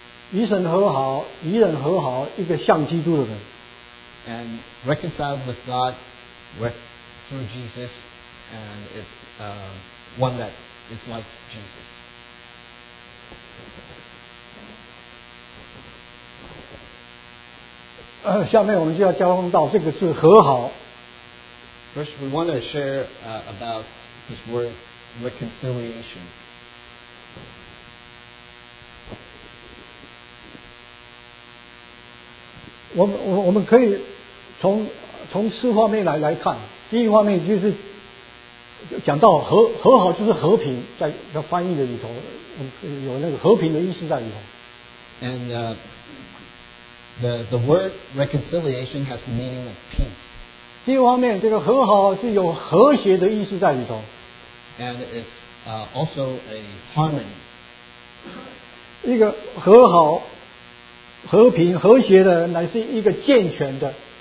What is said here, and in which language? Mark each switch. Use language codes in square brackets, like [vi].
[zh] 与神和好，与人和好，一个像基督的人。 [en] And reconciled with God through Jesus, and is one that is like Jesus. [zh] 下面我们就要交通到这个是和好。 [en] First, we want to share about this word. Reconciliation. [zh] 我们可以从四方面来看。第一方面就是讲到和好就是和平，在翻译的里头有那个和平的意思在里头。 [en] And the word reconciliation has the meaning of peace. [zh] 第二方面，这个和好是有和谐的意思在里头。 [en] And it's also a harmony. [zh] 一个和好、和平、和谐的人，乃是一个健全的。